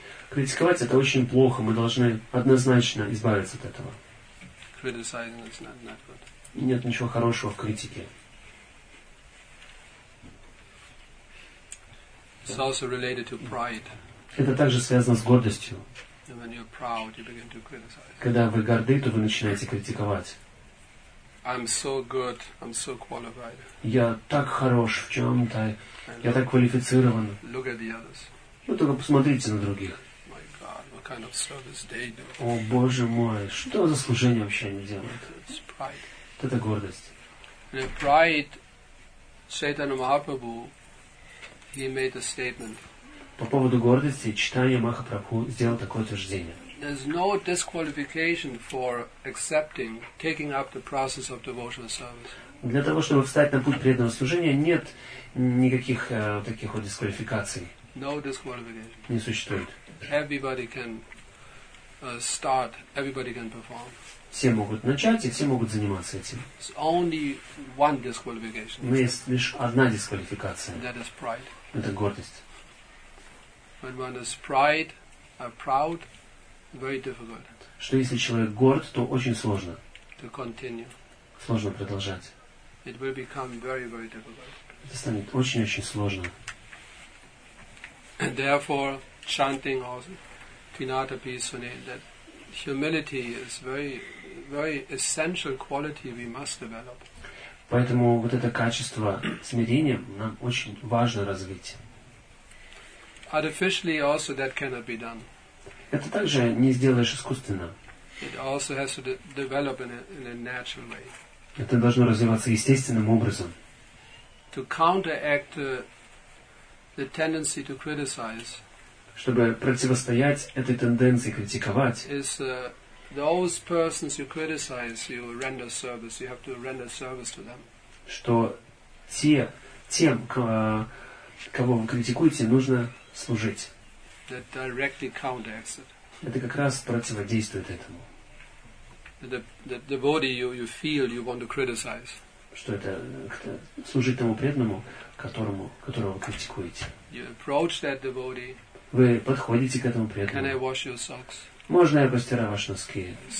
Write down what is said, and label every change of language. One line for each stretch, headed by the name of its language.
Russian: Критиковать это очень плохо, мы должны однозначно избавиться от этого.
English: Criticizing is not good.
Russian: Нет ничего хорошего в критике.
English: It's also related to pride.
Russian: Это также связано с гордостью.
English: And when you're proud, you begin to criticize.
Russian: Когда вы горды, то вы начинаете критиковать.
English: I'm so good, I'm so qualified.
Russian: Я так хорош в чем-то, я так квалифицирован.
English: Look at the others.
Russian: Вы только посмотрите на других.
English: Kind of service they do.
Russian: О, Боже мой, что за служение вообще они делают?
English: It's pride.
Russian: Это гордость.
English: The pride, Chaitanya Mahaprabhu, he made a statement.
Russian: По поводу гордости, Чайтанья Махапрабху сделал такое утверждение.
English: There's no disqualification for accepting, taking up the process of devotional service.
Russian: Для того, чтобы встать на путь преданного служения, нет никаких таких вот дисквалификаций.
English: No disqualification.
Russian: Не существует.
English: Everybody can start. Everybody can perform.
Russian: Все могут начать и все могут заниматься этим.
English: It's only one disqualification.
Russian: Но есть лишь одна дисквалификация.
English: That is pride.
Russian: Это гордость.
English: When one is pride, proud, very difficult.
Russian: Что если человек горд, то очень сложно.
English: To continue.
Russian: Сложно продолжать.
English: It will become very, very difficult.
Russian: Это станет очень-очень сложно.
English: And therefore, chanting also Trinatapi Sunil, that humility is very, very essential quality we must develop.
Russian: Поэтому вот это качество смирения нам очень важно развить.
English: Artificially also that cannot be done.
Russian: Это также не сделаешь искусственно.
English: It also has to develop in a natural way.
Russian: Это должно развиваться естественным образом.
English: To counteract the tendency to criticize.
Russian: Чтобы противостоять этой тенденции критиковать.
English: Is those persons you criticize, you render service. You have to render service to them.
Russian: Что тем, кого вы критикуете, нужно служить.
English: That directly counteracts it.
Russian: Это как раз противодействует этому.
English: The devotee you feel you want to criticize.
Russian: Что это служить тому преданному, которого вы критикуете.
English: You approach that devotee.
Russian: Вы подходите к этому преданному. Можно я постираю ваши носки?